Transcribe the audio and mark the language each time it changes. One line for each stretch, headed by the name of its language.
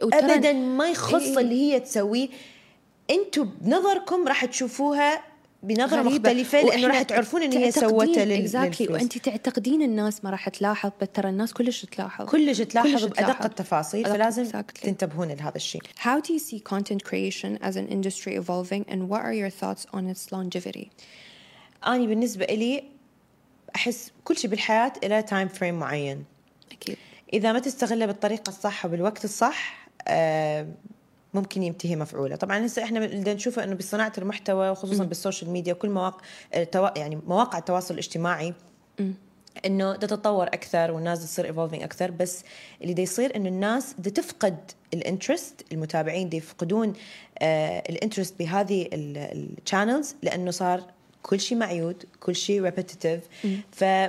Arabic: ابدا ما يخص اللي هي تسويه انتم بنظركم راح تشوفوها بنظرة مختلفة لأنه راح تعرفون أن هي سوتها للفلوس وأنت تعتقدين الناس ما راح تلاحظ ترى الناس كلش تلاحظ كلش تلاحظ بأدق التفاصيل فلازم تنتبهون لهذا الشيء
English: How do you see content creation as an industry evolving and what are your thoughts on its longevity?
Arabic: أنا بالنسبة لي أحس كل شيء بالحياة إلى
English: time frame
Arabic: معين أكيد إذا ما تستغله بالطريقة الصح وبالوقت الصح ممكن يمتهي مفعوله طبعا هسه احنا بدنا نشوفه انه بصناعه المحتوى وخصوصا بالسوشيال ميديا كل مواقع يعني مواقع التواصل الاجتماعي انه تتطور اكثر والناس تصير ايفولفينج اكثر بس اللي دا يصير انه الناس دا تفقد الانترست المتابعين دا يفقدون الانترست بهذه الشانلز لانه صار كل شيء معيود كل شيء ريبيتيتيف ف